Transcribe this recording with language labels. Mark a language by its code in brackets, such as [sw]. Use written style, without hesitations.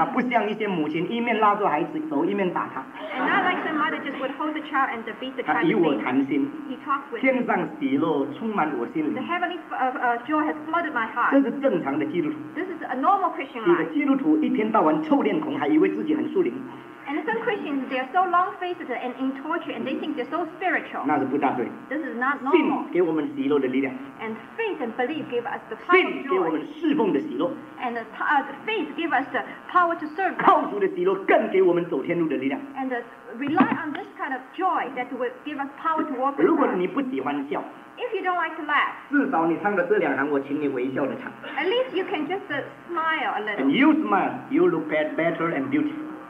[zh] 像一些母亲一面拉着孩子走一面打他。 [en] And not like some mother just would hold the child and beat the child. [zh] 他与我谈心。 [en] He talked with me. [zh] 天上喜乐充满我心灵。 [en] The heavenly joy has flooded my heart. [zh] 这是正常的基督徒。 [en] This is a normal Christian life. [zh] 一个基督徒一天到晚臭脸孔，还以为自己很属灵。 [en] And some Christians, they are so long faced and in torture, and they think they're so spiritual. [zh] 那是不大对。 [en] This is not normal. [zh] 信给我们喜乐的力量。 [en] And faith and belief give us the power of joy. [zh] 信给我们侍奉的喜乐。 [en] And faith give us the power to serve. [zh] 靠主的喜乐更给我们走天路的力量。 [en] And rely on this kind of joy that will give us power to walk. [zh] 如果你不喜欢笑。 [en] If you don't like to laugh. [zh] 至少你唱的这两行，我请你微笑的唱。 [en] At least you can just smile a little. And you smile, you look better and beautiful.